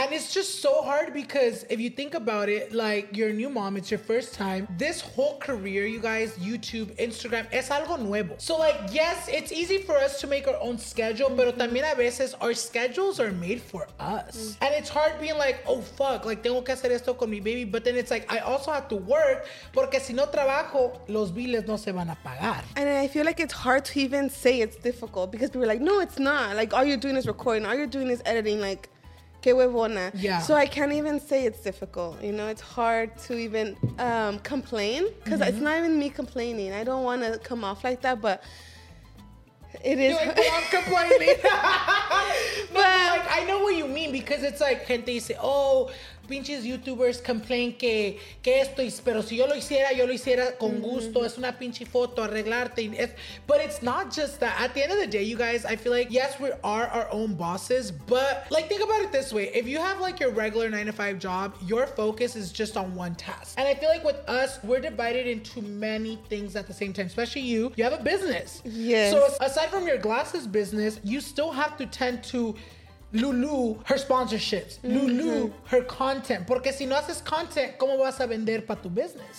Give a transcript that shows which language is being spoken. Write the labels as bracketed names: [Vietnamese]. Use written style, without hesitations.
[English] And it's just so hard because if you think about it, like, you're a new mom, it's your first time. This whole career, you guys, YouTube, Instagram, [Spanish] es algo nuevo. [English] So, like, yes, it's easy for us to make our own schedule, [Spanish] pero también a veces [English] our schedules are made for us. Mm-hmm. And it's hard being like, oh, fuck, like, [Spanish] tengo que hacer esto con mi [English] baby. But then it's like, I also have to work. [Spanish] Porque si no trabajo, los biles no se van a pagar. [English] And I feel like it's hard to even say it's difficult because people are like, no, it's not. Like, all you're doing is recording. All you're doing is editing. Like, [Spanish] qué huevona. [English] Yeah. So I can't even say it's difficult. You know, it's hard to even complain because it's not even me complaining. I don't want to come off like that, but it is. You're like, well, I'm complaining. But like, I know what you mean, because it's like, [Spanish] gente dice, oh, pinches [English] YouTubers complain [Spanish] que esto, pero si yo lo hiciera con gusto, es una pinche foto, arreglarte. [English] But it's not just that. At the end of the day, you guys, I feel like, yes, we are our own bosses, but, like, think about it this way. If you have, like, your regular 9-to-5 job, your focus is just on one task. And I feel like with us, we're divided into many things at the same time, especially you. You have a business. Yes. So aside from your glasses business, you still have to tend to Lulu, her sponsorships. Mm-hmm. Lulu, her content. [Spanish] Porque si no haces content, ¿cómo vas a vender para tu business?